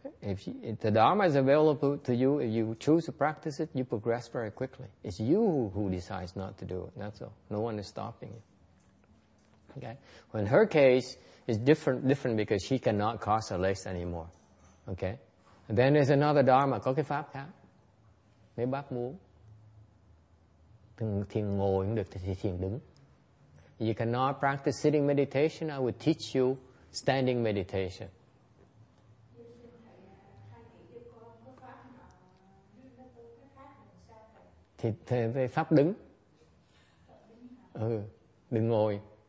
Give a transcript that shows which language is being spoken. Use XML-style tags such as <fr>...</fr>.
<en>If the Dharma is available to you, if you choose to practice it, you progress very quickly. It's you who decides not to do it. That's all. No one is stopping you. Okay. Well, in her case, it's different because she cannot cause a less anymore. Okay. And then there's another Dharma.</en> <vi>Có cái pháp khác. Nếu bác muốn thì ngồi cũng được thì thiền đứng.</vi> <en>You cannot practice sitting meditation. I will teach you standing meditation.</en> <vi>Thì về pháp đứng. Ừ, đừng ngồi.</vi>